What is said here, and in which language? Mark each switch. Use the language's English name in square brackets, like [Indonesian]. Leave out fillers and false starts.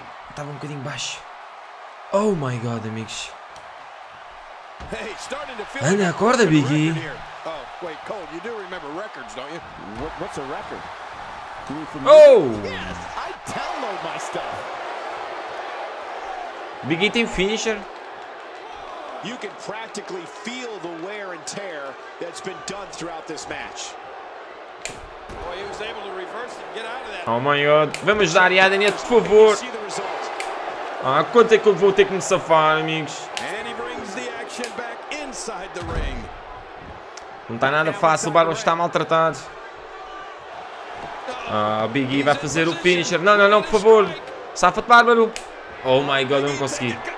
[Portuguese] Estava um bocadinho baixo. [English] Oh, my God, [Portuguese] amigos. Anda, acorda, Big E. [English] Oh, wait, Cole, you do remember records, don't you? What's a record? Oh! Yes, I download my stuff. [Portuguese] Big E tem finisher. [English] You can practically feel the wear and tear that's been done throughout this match. Well, he was able to reverse and get out of that. Oh my god, [Portuguese] vamos dar a Daniel, por favor. Ah, quanto é que eu vou ter que me safar, amigos? [English] And he brings the action back inside the ring. [Portuguese] Não está nada fácil, o Barba está maltratado. Ah, o Big E vai fazer o finisher. Não, não, não, por favor. Safa-te, Bárbaro. [English] Oh my god, [Portuguese] eu não consegui.